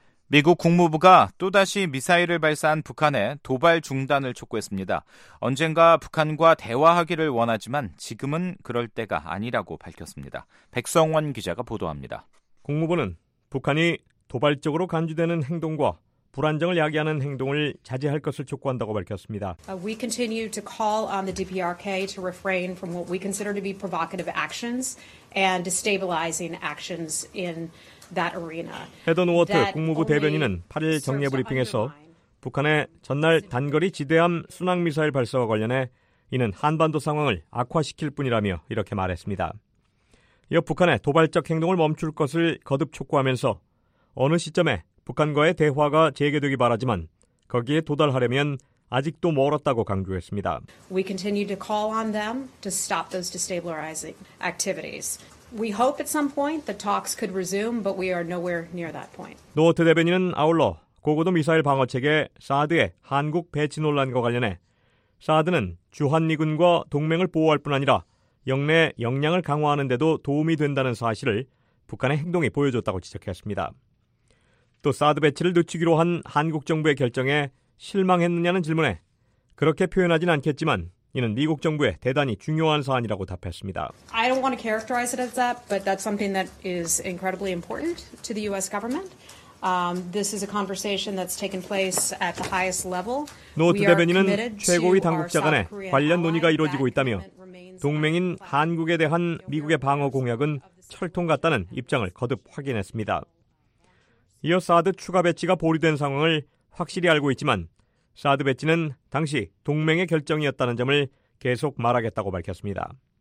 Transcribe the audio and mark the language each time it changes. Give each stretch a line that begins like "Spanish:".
Korean: 미국 국무부가 또다시 미사일을 발사한 북한에 도발 중단을 촉구했습니다. 언젠가 북한과 대화하기를 원하지만 지금은 그럴 때가 아니라고 밝혔습니다. 백성원 기자가 보도합니다. 국무부는 북한이 도발적으로 간주되는 행동과 불안정을 야기하는 행동을 자제할 것을 촉구한다고 밝혔습니다.
English: We continue to call on the DPRK to refrain from what we consider to be provocative actions and destabilizing actions in that arena.
Korean: 헤던 워터 국무부 대변인은 8일 정례 브리핑에서 북한의 전날 단거리 지대함 순항 미사일 발사와 관련해 이는 한반도 상황을 악화시킬 뿐이라며 이렇게 말했습니다. 이어 북한의 도발적 행동을 멈출 것을 거듭 촉구하면서 어느 시점에 북한과의 대화가 재개되기 바라지만 거기에 도달하려면 아직도 멀었다고 강조했습니다.
English: We continue to call on them to stop those destabilizing activities. We hope at some point the talks could resume, but we are nowhere near that point.
Korean: 노어트 대변인은 아울러 고고도 미사일 방어 체계 사드의 한국 배치 논란과 관련해 사드는 주한미군과 동맹을 보호할 뿐 아니라 영내 역량을 강화하는데도 도움이 된다는 사실을 북한의 행동이 보여줬다고 지적했습니다. 또 사드 배치를 늦추기로 한 한국 정부의 결정에 실망했느냐는 질문에 그렇게 표현하진 않겠지만 이는 미국 정부의 대단히 중요한 사안이라고 답했습니다.
English: I don't want to characterize it as that, but that's something that is incredibly important to the U.S. government. This is a conversation that's taken place at the highest level.
Korean: 노트 대변인은 최고위 당국자 간에 관련 논의가 이루어지고 있다며 동맹인 한국에 대한 미국의 방어 공약은 철통 같다는 입장을 거듭 확인했습니다. 이어 사드 추가 배치가 보류된 상황을 확실히 알고 있지만 사드 배치는 당시 동맹의 결정이었다는 점을 계속 말하겠다고 밝혔습니다.